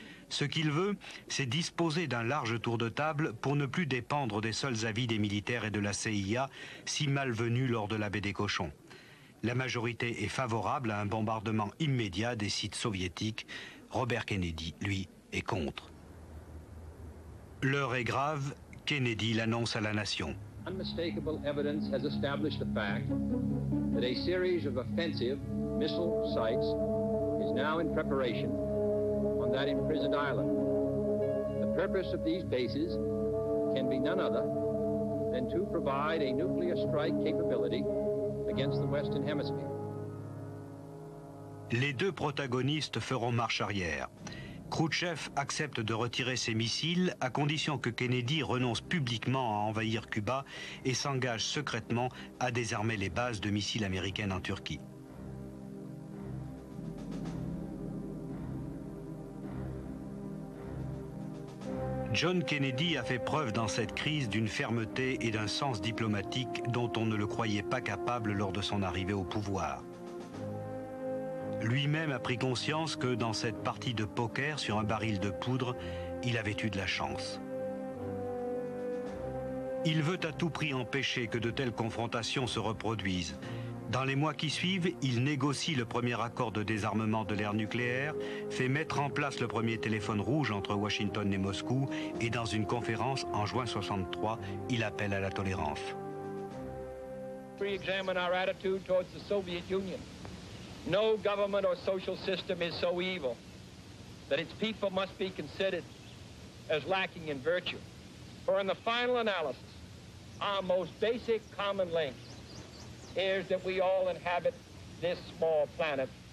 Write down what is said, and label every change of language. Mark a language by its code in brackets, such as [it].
[fr] Ce qu'il veut, c'est disposer d'un large tour de table pour ne plus dépendre des seuls avis des militaires et de la CIA, si malvenus lors de la baie des cochons. La majorité est favorable à un bombardement immédiat des sites soviétiques. Robert Kennedy, lui, est contre. L'heure est grave, Kennedy l'annonce à la nation. [en] Unmistakable evidence has established the fact that a series of offensive missile sites is now in preparation on that imprisoned island. The purpose of these bases can be none other than to provide a nuclear strike capability against the Western Hemisphere. [fr] Les deux protagonistes feront marche arrière. Khrouchtchev accepte de retirer ses missiles à condition que Kennedy renonce publiquement à envahir Cuba et s'engage secrètement à désarmer les bases de missiles américaines en Turquie. John Kennedy a fait preuve dans cette crise d'une fermeté et d'un sens diplomatique dont on ne le croyait pas capable lors de son arrivée au pouvoir. Lui-même a pris conscience que dans cette partie de poker sur un baril de poudre, il avait eu de la chance. Il veut à tout prix empêcher que de telles confrontations se reproduisent. Dans les mois qui suivent, il négocie le premier accord de désarmement de l'ère nucléaire, fait mettre en place le premier téléphone rouge entre Washington et Moscou, et dans une conférence en juin 1963, il appelle à la tolérance. [en] Re-examine our attitude towards the Soviet Union. No government or social system is so evil that its people must be considered as lacking in virtue. For in the final analysis, our most basic common link is that we all inhabit this small planet.